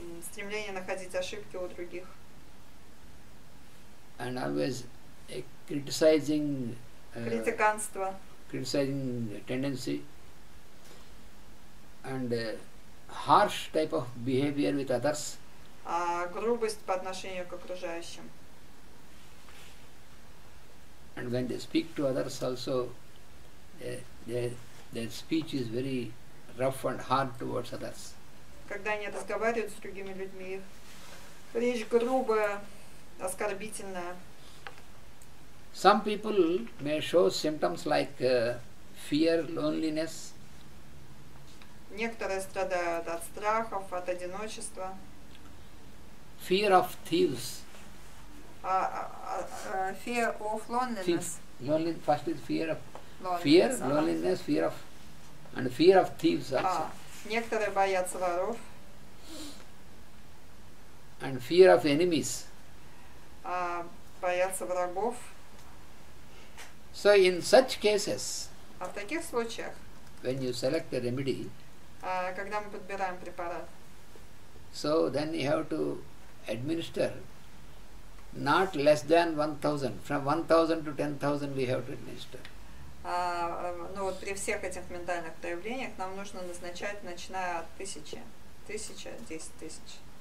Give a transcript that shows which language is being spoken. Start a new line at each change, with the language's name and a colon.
Russian: Стремление находить ошибки у других.
English: And always критиканство, criticizing tendency and harsh type of behavior with others,
Russian: грубость по отношению к окружающим.
English: And when they speak to others also, their speech is very rough and hard towards others.
Russian: Когда они разговаривают с другими людьми, их речь грубая, оскорбительная.
English: Some people may show symptoms like fear, loneliness.
Russian: Некоторые страдают от страхов, от одиночества.
English: Fear of thieves. Fear of loneliness. First is fear of fear, loneliness, fear of and fear of thieves also.
Russian: Некоторые боятся воров.
English: And fear of enemies.
Russian: Боятся врагов.
English: So in such cases,
Russian: а в таких случаях,
English: when you select a remedy,
Russian: когда мы подбираем препарат,
English: so then you have to administer not less than 1,000. From 1,000 to 10,000 we have to administer.
Russian: Ну вот при всех этих ментальных проявлениях нам нужно назначать, начиная от тысячи, тысяча, 10,000.